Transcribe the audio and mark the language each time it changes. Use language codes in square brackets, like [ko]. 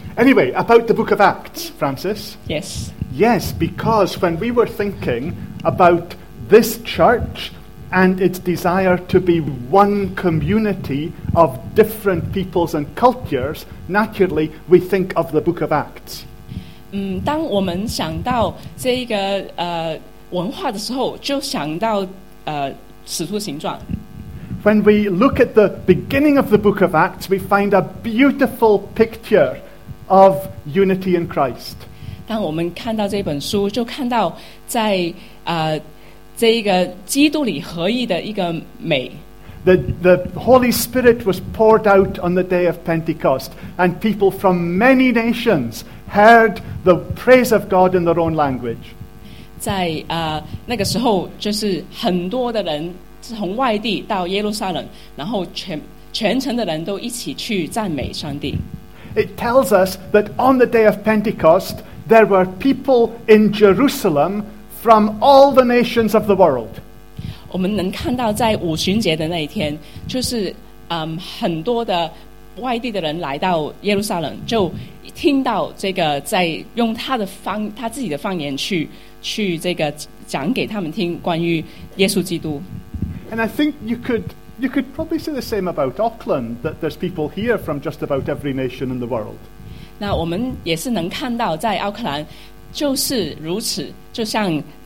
[en] Anyway, about the book of Acts, Francis. Yes. Yes, because when we were thinking about this church and its desire to be one community of different peoples and cultures, naturally, we think of the book of Acts. [zh] 当我们想到这个 文化的时候,就想到使徒行传。 [en] When we look at the beginning of the book of Acts, we find a beautiful picture of unity in Christ. [zh] 当我们看到这本书, 就看到在, 这一个基督里合一的一个美。 [en] The Holy Spirit was poured out on the day of Pentecost, and people from many nations heard the praise of God in their own language. [zh] 在, 那个时候, 就是很多的人, 从外地到耶路撒冷, 然后全, 全城的人都一起去赞美上帝。 [en] It tells us that on the day of Pentecost, there were people in Jerusalem from all the nations of the world. [zh] 我们能看到在五旬节的那一天, 就是, 很多的外地的人来到耶路撒冷, 就听到这个在用他的方, 他自己的方言去, 去这个讲给他们听关于耶稣基督。 [en] And I think you could probably say the same about Auckland, that there's people here from just about every nation in the world. [zh] 那我们也是能看到在奥克兰就是如此, 就像